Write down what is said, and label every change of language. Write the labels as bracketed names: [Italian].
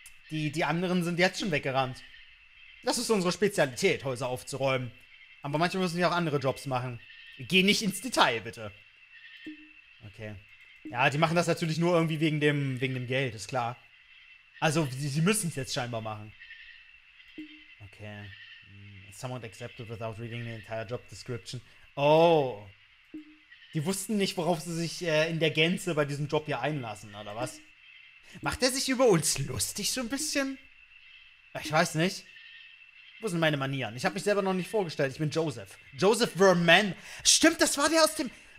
[German] Die anderen sind jetzt schon weggerannt. Das ist unsere Spezialität, Häuser aufzuräumen. Aber manchmal müssen wir auch andere Jobs machen. Geh nicht ins Detail, bitte. Okay. Ja, die machen das natürlich nur irgendwie wegen dem Geld, ist klar. Also, sie müssen es jetzt scheinbar machen. Okay. [English] Someone accepted without reading the entire job description. Oh. [German] Die wussten nicht, worauf sie sich in der Gänze bei diesem Job hier einlassen, oder was? Macht er sich über uns lustig so ein bisschen? Ich weiß nicht. Wo sind meine Manieren? Ich habe mich selber noch nicht vorgestellt. Ich bin Joseph. Joseph Verman. Stimmt, das war der aus dem...